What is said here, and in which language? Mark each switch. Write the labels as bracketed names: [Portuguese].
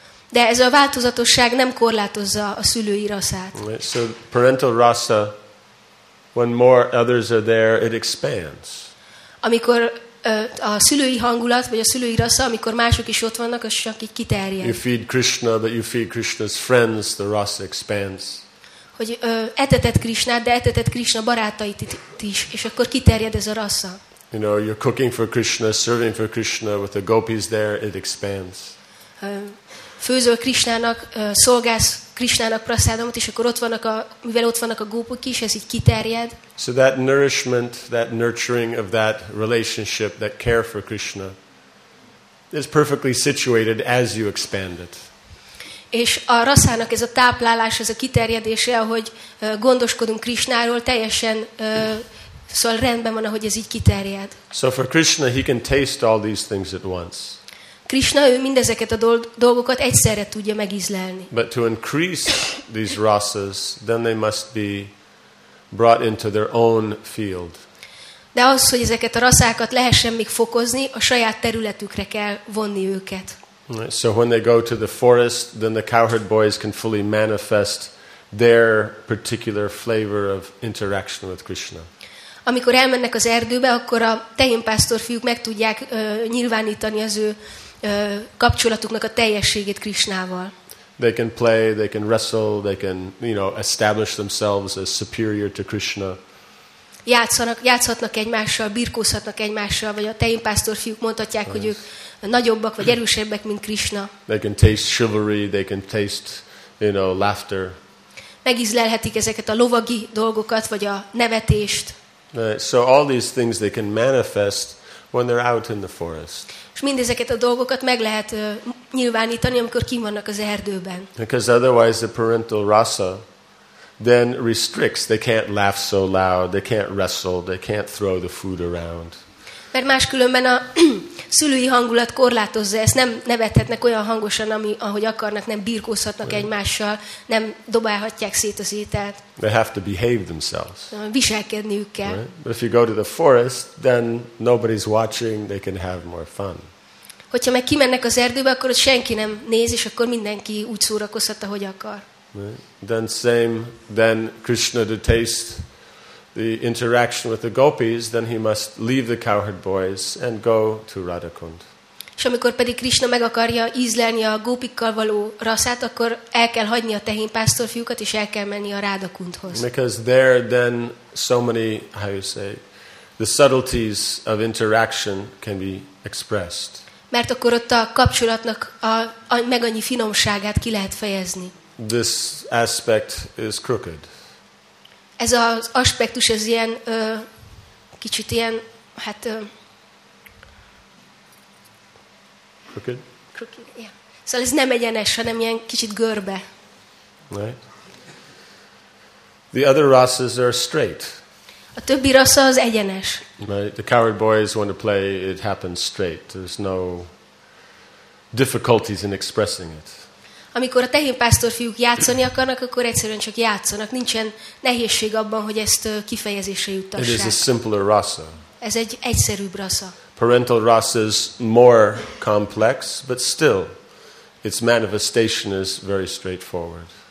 [Hungarian] De ez a változatosság nem korlátozza a szülői rasszát. [English] So parental rasa, when more others are there, it expands. [Hungarian] Amikor a szülői hangulat vagy a szülői rasza, amikor mások is ott vannak, az csak így kiterjed. [English] You feed Krishna, but you feed Krishna's friends, the rasa expands. [Hungarian] Hogy etetett Krishnát, de etetett Krishna barátait is, és akkor kiterjed ez a rasza. [English] You know, you're cooking for Krishna, serving for Krishna with the gopis there, it expands. [Hungarian] Főzöl Krishnának, szolgálsz Krishnának prasádomot, és akkor mivel ott vannak a gópok is, ez így kiterjed. [English] So that nourishment, that nurturing of that relationship, that care for Krishna, is perfectly situated as you expand it. [Hungarian] És a rasszának ez a táplálás, ez a kiterjedése, ahogy gondoskodunk Krishnáról, teljesen szóval rendben van, ahogy ez így kiterjed. [English] So for Krishna, he can taste all these things at once. [Hungarian] Krishna ő mindezeket a dolgokat egyszerre tudja megízlelni. [English] But to increase these rasas, then they must be brought into their own field. [Hungarian] De az, hogy ezeket a rasszákat lehessen még fokozni, a saját területükre kell vonni őket. [English] So when they go to the forest, then the cowherd boys can fully manifest their particular flavor of interaction with Krishna. [Hungarian] Amikor elmennek az erdőbe, akkor a tehénpásztor fiúk meg tudják nyilvánítani az ő kapcsolatuknak a teljességét Krishnával. [English] They can play, they can wrestle, they can, you know, establish themselves as superior to Krishna. [Hungarian] Játszhatnak egymással, birkózhatnak egymással, vagy a tehénpásztor fiúk mondhatják, hogy ők nagyobbak vagy erősebbek, mint Krishna. [English] They can taste chivalry, they can taste, you know, laughter. [Hungarian] Megízlelhetik ezeket a lovagi dolgokat, vagy a nevetést. [English] So all these things they can manifest when they're out in the forest. [Hungarian] És mindezeket a dolgokat meg lehet nyilvánítani, amikor kint vannak az erdőben. [English] Because otherwise the parental rasa then restricts. They can't laugh so loud, they can't wrestle, they can't throw the food around. [Hungarian] Mert máskülönben a szülői hangulat korlátozza, ezt nem nevethetnek olyan hangosan, ami ahogy akarnak, nem birkózhatnak egymással, nem dobálhatják szét az ételt. [English] They have to behave themselves. [Hungarian] Viselkedniük kell. [English] Right? But if you go to the forest, then nobody's watching, they can have more fun. [Hungarian] Hogyha meg kimennek az erdőbe, akkor ott senki nem néz, és akkor mindenki úgy szórakozhat, ahogy akar. [English] Right? Then same, then Krishna to taste the interaction with the gopis, then he must leave the cowherd boys and go to Radhakund. [Hungarian] És amikor pedig Krishna meg akarja ízlelni a gópikkal való raszát, akkor el kell hagyni a tehénpásztor fiúkat és el kell menni a Radhakundhoz. [English] Because there then so many, how you say, the subtleties of interaction can be expressed. [Hungarian] Mert akkor ott a kapcsolatnak a meg annyi finomságát ki lehet fejezni. [English] This aspect is crooked. [Hungarian] Ez az aspektus, ez ilyen kicsit ilyen, hát [English] crooked. Yeah. [Hungarian] Szóval ez nem egyenes, hanem ilyen kicsit görbe. [English] Right. The other rasas are straight. [Hungarian] A többi rasa az egyenes. [English] Right. The coward boys want to play, it happens straight. There's no difficulties in expressing it. [Hungarian] Amikor a tehénpásztor fiúk játszani akarnak, akkor egyszerűen csak játszanak. Nincsen nehézség abban, hogy ezt kifejezésre juttassák. [English] It is a simpler rasa. [Hungarian] Ez egy egyszerűbb rasa. [English] Parental rasa is more complex, but still, its manifestation is very straightforward.